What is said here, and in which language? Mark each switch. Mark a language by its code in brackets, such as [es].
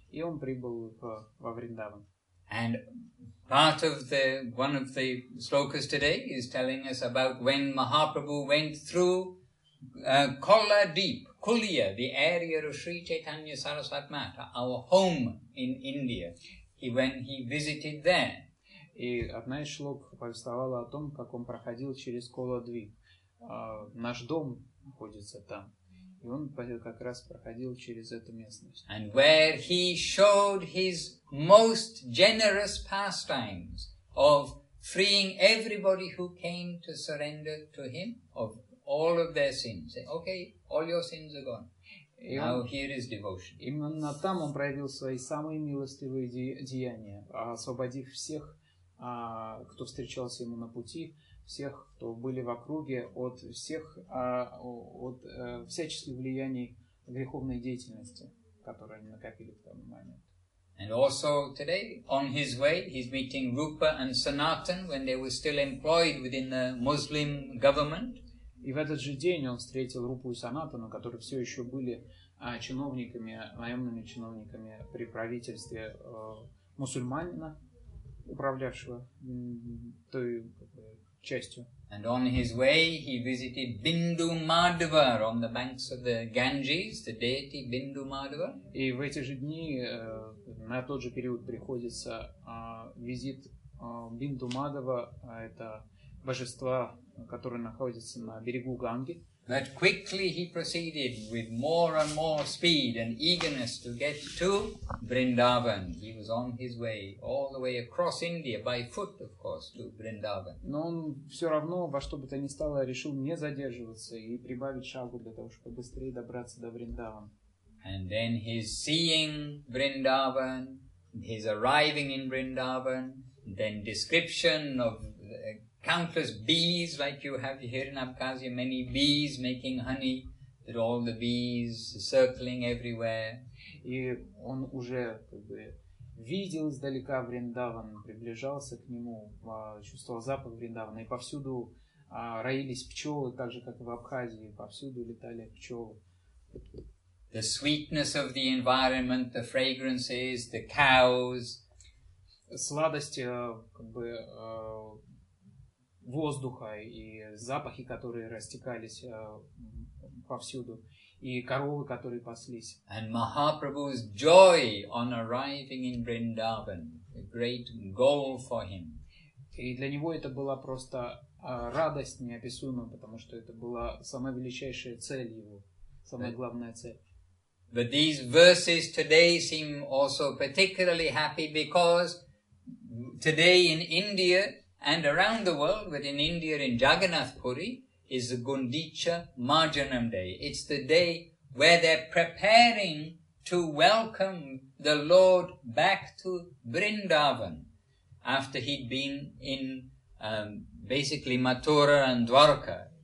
[ru] И он прибыл во Вриндаван. [en] And part of the one of the slokas today is telling us about when Mahaprabhu went through Kola Deep, Kulia, the area of Sri Chaitanya Sarasvati Mata, our home in India. When he visited there. [ru] И одна из шлок повествовала о том, как он проходил через Коладвип. Наш дом находится там. И он как раз проходил через эту местность. [en] And where he showed his most generous pastimes of freeing everybody who came to surrender to him of all of their sins. Okay, all your sins are gone. Now here is devotion. [ru] Именно там он проявил свои самые милостивые деяния, освободив всех, кто встречался ему на пути, всех, кто были в округе, от всех, от всяческих влияний греховной деятельности, которые они накопили в тот момент. [en] And also today, on his way, he's meeting Rupa and Sanatan when they were still employed within the Muslim government. [ru] И в этот же день он встретил Рупу и Санатану, которые все еще были чиновниками, наемными чиновниками при правительстве мусульманина, управлявшего той частью. [en] And on his way he visited Bindu Madhava on the banks of the Ganges, the deity Bindu Madhava. [ru] И в эти же дни на тот же период приходится визит Бинду Мадхава, это божества, которые находятся на берегу Ганги. [en] But quickly he proceeded with more and more speed and eagerness to get to Vrindavan. He was on his way all the way across India by foot, of course, to Vrindavan. [ru] Но он все равно, во что бы то ни стало, решил не задерживаться и прибавить шагу для того, чтобы быстрее добраться до Вриндавана. [en] And then his seeing Vrindavan, his arriving in Vrindavan, then description of countless bees, like you have here in Abkhazia, many bees making honey, that all the bees circling everywhere. [ru] И он уже как бы видел издалека Вриндаван, приближался к нему, чувствовал запах Вриндавана, и повсюду роились пчелы, так же как и в Абхазии, повсюду летали пчелы. [en] The sweetness of the environment, the fragrances, the cows. [ru] Сладости как бы воздуха и запахи, которые растекались повсюду, и коровы, которые паслись. [en] And Mahaprabhu's joy on arriving in Vrindavan, a great goal for him. [ru] И для него это была просто радость неописуемая, потому что это была самая величайшая цель его, самая главная цель. [en] But these verses today seem also particularly happy because today in India and around the world, but in India, in Jagannath Puri, is the Gundicha Marjanam Day. It's the day where they're preparing to welcome the Lord back to Vrindavan after he'd been in basically Mathura and Dwarka.